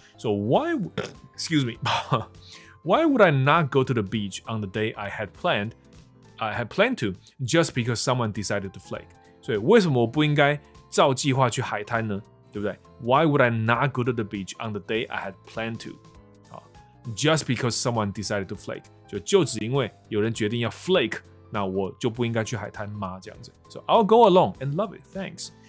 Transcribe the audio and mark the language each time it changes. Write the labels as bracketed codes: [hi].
[en] So why excuse me， why would I not go to the beach on the day I had planned to just because someone decided to flake？ [zh] 所以为什么我不应该照计划去海滩呢？对不对？ [en] Why would I not go to the beach on the day I had planned to just because someone decided to flake？ [zh] 就只因为有人决定要 flake，那我就不应该去海滩吗？这样子。 [en] So I'll go along and love it, thanks。